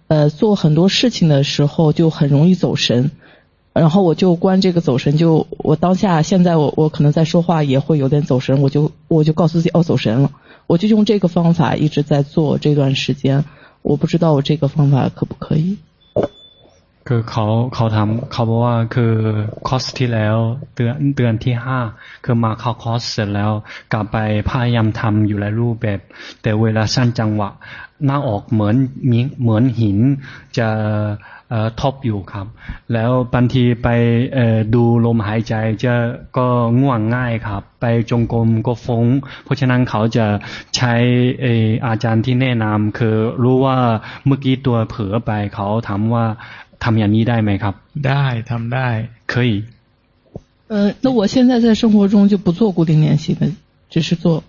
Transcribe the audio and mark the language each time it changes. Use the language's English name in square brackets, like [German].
[Chinese] 做很多事情的时候就很容易走神，然后我就关这个走神，就我当下现在我可能在说话也会有点走神，我就告诉自己哦走神了，我就用这个方法一直在做这段时间，我不知道我这个方法可不可以。 [Thai] คือเขาถามเขาบอกว่าคือคอสที่แล้วเดือนที่ห้าคือมาเข้าคอสเสร็จแล้วกลับไปพยายามทำอยู่หลายรูปแบบแต่เวลาสั้นจังหวะหน้าออกเหมือนหินจะ ทบอยู่ครับแล้วบางทีไปดูลมหายใจจะก็ง่วงง่ายครับไปจงกรมก็ฟุ้งเพราะฉะนั้นเขาจะใช้อาจารย์ที่แนะนำคือรู้ว่าเมื่อกี้ตัวเผลอไปเขาถามว่าทำอย่างนี้ได้ไหมครับ ได้ทำได้ [Chinese] 可以那我现在在生活中就不做固定练习的只是做